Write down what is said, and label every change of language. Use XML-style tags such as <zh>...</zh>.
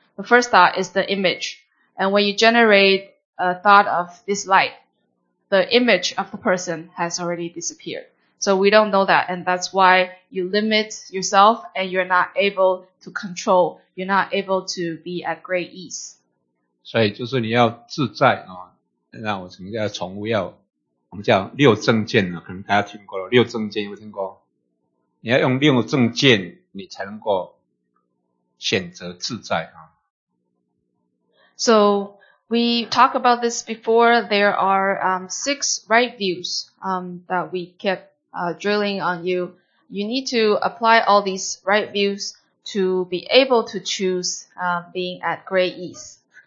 <en>The first thought is the image. And when you generate a thought of dislike, the image of the person has already disappeared. So we don't know that, and that's why you limit yourself and you're not able to control, you're not able to be at great ease.</en> <zh>所以就是你要自在啊，那我什么叫从无要，我们叫六正见啊，可能大家听过了，六正见有没有听过？你要用六正见，你才能够选择自在啊。</zh> <en>So we talked about this before. There are six right views that we kept drilling on you. You need to apply all these right views to be able to choose being at great ease.</en>